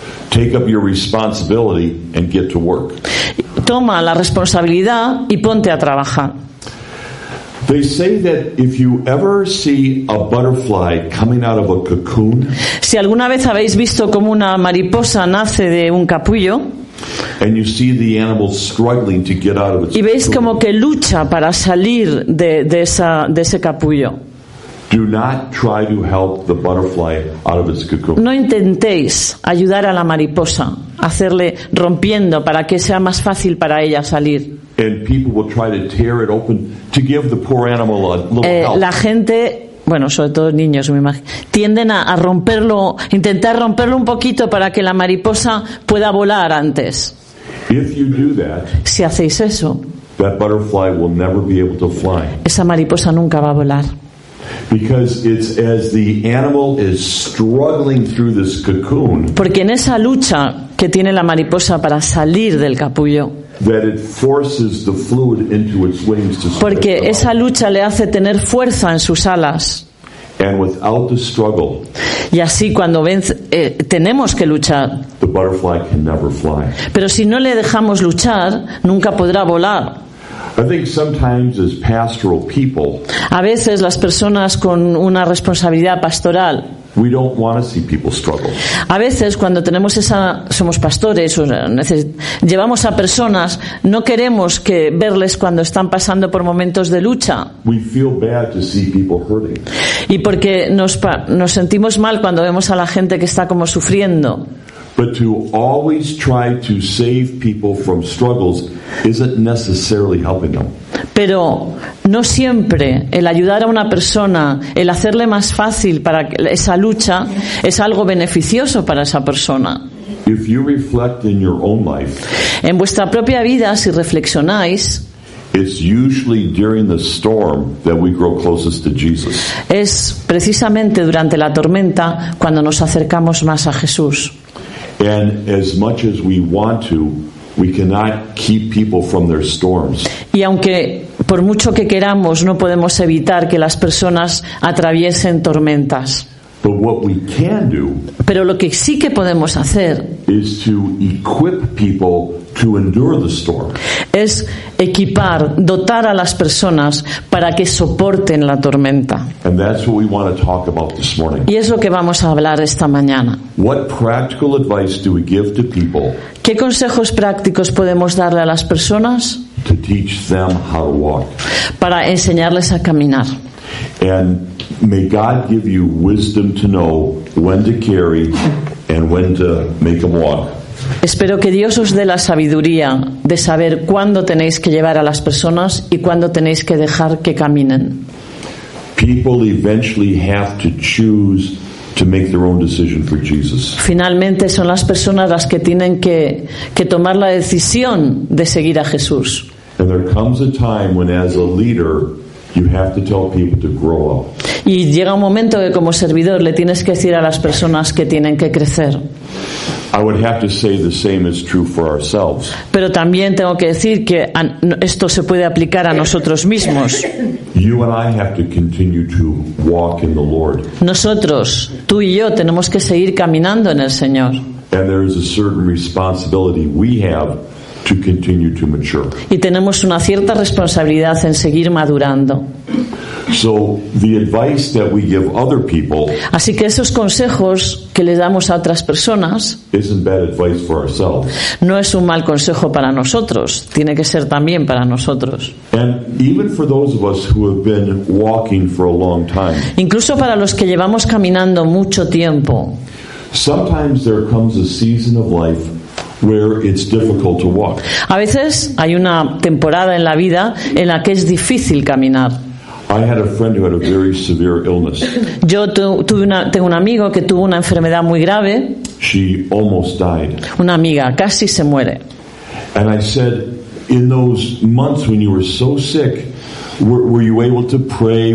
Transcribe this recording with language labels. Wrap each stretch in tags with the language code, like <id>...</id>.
<en>Take up your responsibility and get to work.</en> <es>Toma la responsabilidad y ponte a trabajar.</es> <en>They say that if you ever see a butterfly coming out of a cocoon,</en> <es>si alguna vez habéis visto cómo una mariposa nace de un capullo,</es> <en>and you see the animal struggling to get out of its</en> <es>y veis</es> <en>cocoon,</en> <es>como que lucha para salir de ese capullo,</es> <en>do not try to help the butterfly out of its cocoon.</en> <es>No intentéis ayudar a la mariposa, hacerle rompiendo para que sea más fácil para ella salir.</es> <en>And people will try to tear it open to give the poor animal a little help.</en> <es>La gente, bueno, sobre todo niños, me imagino, tienden a romperlo, intentar romperlo un poquito para que la mariposa pueda volar antes.</es> <en>If you do that,</en> <es>si hacéis eso,</es> <en>that butterfly will never be able to fly.</en> <es>Esa mariposa nunca va a volar.</es> <en>Because it's as the animal is struggling through this cocoon.</en> <es>Porque en esa lucha que tiene la mariposa para salir del capullo.</es> <en>That it forces the fluid into its wings to spread.</en> <es>Porque esa lucha le hace tener fuerza en sus alas.</es> <en>And without the struggle.</en> <es>Y así cuando vence, tenemos que luchar.</es> <en>The butterfly can never fly.</en> <es>Pero si no le dejamos luchar, nunca podrá volar.</es> <en>I think sometimes as pastoral people.</en> <es>A veces las personas con una responsabilidad pastoral.</es> <en>We don't want to see people struggle.</en> <es>A veces cuando tenemos esa somos pastores o llevamos a personas, no queremos que verles cuando están pasando por momentos de lucha.</es> <en>We feel bad to see people hurting.</en> <es>Y porque nos sentimos mal cuando vemos a la gente que está como sufriendo.</es> <en>But to always try to save people from struggles isn't necessarily helping them.</en> <es>Pero no siempre el ayudar a una persona, el hacerle más fácil para esa lucha, es algo beneficioso para esa persona.</es> <en>If you reflect in your own life,</en> <es>en vuestra propia vida, si reflexionáis,</es> <en>It's usually during the storm that we grow closest to Jesus.</en> <es>Es precisamente durante la tormenta cuando nos acercamos más a Jesús.</es> <en>And as much as we want to, we cannot keep people from their storms.</en> <es>Y aunque por mucho que queramos, no podemos evitar que las personas atraviesen tormentas.</es> <en>But what we can do,</en> <es>pero lo que sí que podemos hacer,</es> <en>is to equip people to endure the storm.</en> <es>Es equipar, dotar a las personas para que soporten la tormenta.</es> <en>And that's what we want to talk about this morning.</en> <es>Y es lo que vamos a hablar esta mañana.</es> <en>What practical advice do we give to people?</en> <es>¿Qué consejos prácticos podemos darle a las personas?</es> <en>To teach them how to walk.</en> <es>Para enseñarles a caminar.</es> <en>And may God give you wisdom to know when to carry and when to make them walk.</en> <es>Espero que Dios os dé la sabiduría de saber cuándo tenéis que llevar a las personas y cuándo tenéis que dejar que caminen.</es> <en>People eventually have to choose to make their own decision for Jesus.</en> <es>Finalmente son las personas las que tienen que tomar la decisión de seguir a Jesús.</es> <en>And there comes a time when as a leader you have to tell people to grow up.</en> <es>Y llega un momento que como servidor le tienes que decir a las personas que tienen que crecer.</es> <en>I would have to say the same is true for ourselves.</en> <es>Pero también tengo que decir que esto se puede aplicar a nosotros mismos.</es> <en>You and I have to continue to walk in the Lord.</en> <es>Nosotros, tú y yo, tenemos que seguir caminando en el Señor.</es> <en>And there is a certain responsibility we have to continue to mature.</en> <es>Y tenemos una cierta responsabilidad en seguir madurando.</es> <en>So the advice that we give other people,</en> <es>así que esos consejos que les damos a otras personas,</es> <en>isn't bad advice for ourselves.</en> <es>No es un mal consejo para nosotros, tiene que ser también para nosotros.</es> <en>And even for those of us who have been walking for a long time,</en> <es>incluso para los que llevamos caminando mucho tiempo,</es> <en>sometimes there comes a season of life where it's difficult to walk.</en> <es>A veces hay una temporada en la vida en la que es difícil caminar.</es> <en>I had a friend who had a very severe illness.</en> <es>Yo tengo un amigo que tuvo una enfermedad muy grave.</es> <en>She almost died.</en> <es>Una amiga casi se muere.</es> <en>And I said, in those months when you were so sick, were you able to pray?</en>